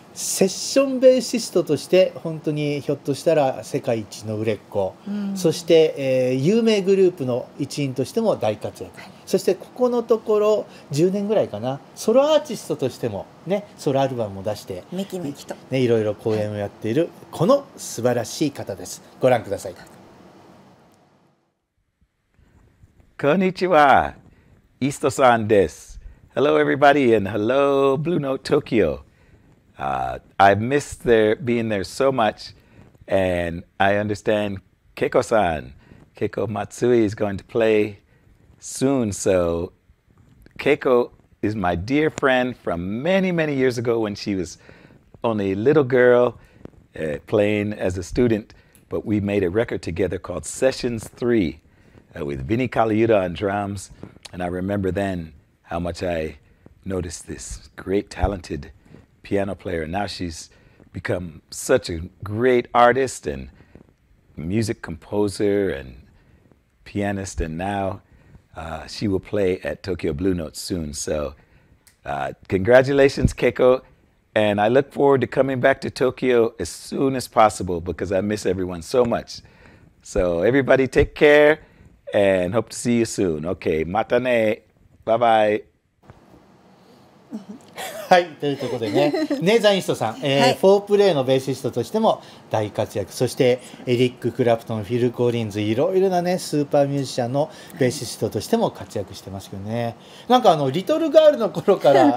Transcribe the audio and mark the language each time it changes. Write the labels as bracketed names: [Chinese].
[Japanese] セッションベーシストとして本当にひょっとしたら世界一の売れっ子、うん、そして、有名グループの一員としても大活躍、はい、そしてここのところ10年ぐらいかな、ソロアーティストとしても、ね、ソロアルバムも出してメキメキと、ね、いろいろ公演をやっているこの素晴らしい方です。ご覧ください。こんにちは、イーストさんです。 [English] Hello everybody and hello Blue Note TokyoI've missed being there so much, and I understand Keiko-san, Keiko Matsui is going to play soon. So Keiko is my dear friend from many, many years ago when she was only a little girl, playing as a student. But we made a record together called Sessions 3, with Vinnie Kaliuta on drums. And I remember then how much I noticed this great, talented,piano player. Now she's become such a great artist and music composer and pianist, and now she will play at Tokyo Blue Note soon. So congratulations, Keiko, and I look forward to coming back to Tokyo as soon as possible because I miss everyone so much. So everybody take care and hope to see you soon. Okay, [Japanese] mata ne. [English] Bye bye. [Japanese] はい、ということでね、ネーザンイーストさん、はい、フォープレイのベーシストとしても大活躍、そしてエリック・クラプトン、フィル・コリンズ、いろいろなねスーパーミュージシャンのベーシストとしても活躍してますけどね、なんかリトルガールの頃から、